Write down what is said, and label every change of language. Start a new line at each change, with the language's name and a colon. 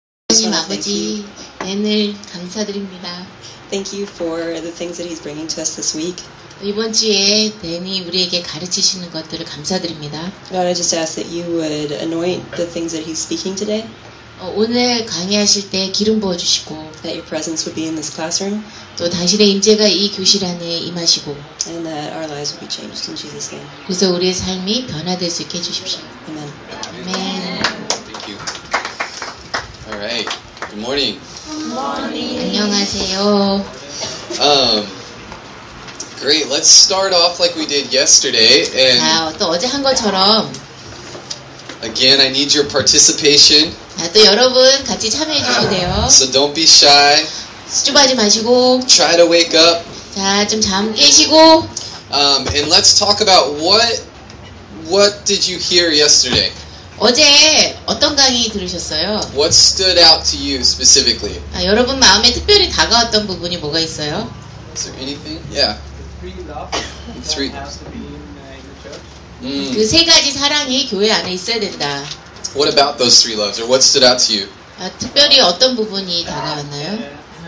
Korean: 하나님 아버지, 오늘 감사드립니다.
English: Thank you for the things that he's bringing to us this week.
Korean: 이번 주에 데니 우리에게 가르치시는 것들을 감사드립니다.
English: God, I just ask that you would anoint the things that he's speaking today.
Korean: 오늘 강의하실 때 기름 부어 주시고
English: that your presence would be in this classroom.
Korean: 또 당신의 임재가 이 교실 안에 임하시고
English: and that our lives would be changed in Jesus' name.
Korean: 그래서 우리의 삶이 변화될 수 있게 해 주십시오.
English: Amen. Amen. Thank you. All right. Good morning. Good morning.
Korean: 안녕하세요.
English: Great. Let's start off like we did yesterday and
Korean: 또 어제 한 것처럼
English: Again, I need your participation.
Korean: 또 여러분 같이 참여해 주셔도 돼요.
English: So don't be shy.
Korean: 수줍어하지 마시고.
English: Try to wake up.
Korean: 자, 좀 잠 깨시고.
English: And let's talk about what did you hear yesterday?
Korean: 어제 어떤 강의 들으셨어요?
English: What stood out to you specifically?
Korean: 여러분 마음에 특별히 다가왔던 부분이 뭐가 있어요?
English: Is there anything? Yeah. Three love. Three.
Korean: 그 세 가지 사랑이 교회 안에 있어야 된다.
English: What about those three loves, or what stood out to you?
Korean: 특별히 어떤 부분이 다가왔나요?